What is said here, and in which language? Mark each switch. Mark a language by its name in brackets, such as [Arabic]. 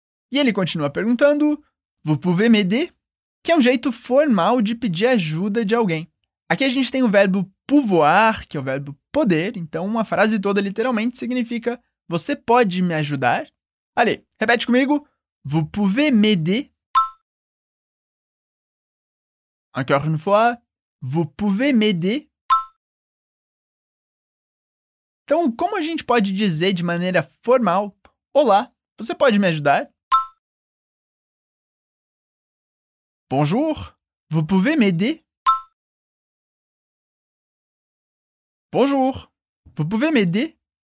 [Portuguese] E ele continua perguntando, [French] vous pouvez m'aider? [Portuguese] Que é um jeito formal de pedir ajuda de alguém. Aqui a gente tem o verbo pouvoir, que é o verbo poder, então uma frase toda literalmente significa, você pode me ajudar? Ali, repete comigo, [French] vous pouvez m'aider? Encore une fois, vous pouvez m'aider? [Portuguese] Então, como a gente pode dizer de maneira formal, [French] olá, você pode me ajudar? Bonjour, vous pouvez m'aider? Bonjour, vous pouvez m'aider?